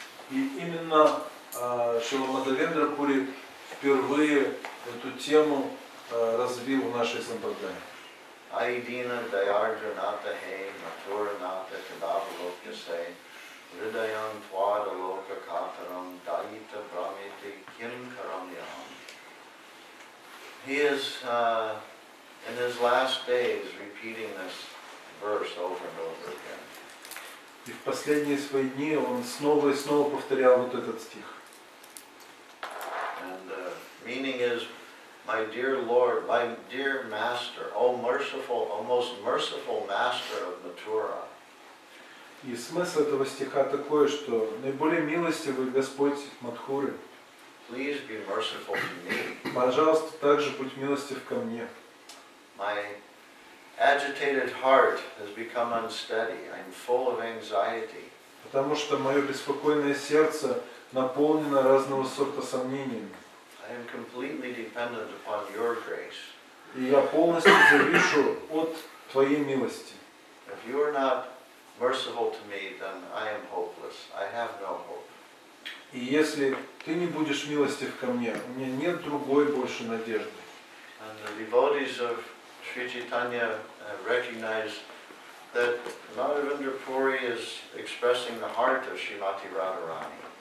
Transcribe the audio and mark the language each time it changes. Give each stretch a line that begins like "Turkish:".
Russian: И именно Шрила Мадхавендра Пури впервые эту тему развил в нашей сампрадае.
Sanskrit: Айдина дайарджа ната хей матура ната кадабалокья сей ридаян твада лока катарам дайита брамити ким карамьям.
English: He is in his last days repeating this verse over and over again.
Russian: И в последние свои дни он снова и снова повторял вот этот стих.
English: And meaning is, my dear Lord, my dear Master, O merciful, O most merciful Master of Mathura.
Russian: И смысл этого стиха такой, что наиболее милостивый Господь Матхуры.
English: Please be merciful to me.
Russian: Пожалуйста, также будь милостив ко мне.
English: My agitated heart has become unsteady. I'm full of anxiety.
Russian: Потому что мое беспокойное сердце наполнена разного сорта сомнениями.
English: I am completely dependent upon your grace.
Russian: И я полностью завишу от твоей милости.
English: If you are not merciful to me, then I am hopeless. I have no hope.
Russian: И если ты не будешь милостив ко мне, у меня нет другой больше надежды.
English: And the devotees of Sri Chaitanya recognize that Madhavendrapuri is expressing the heart of Srimati Radharani.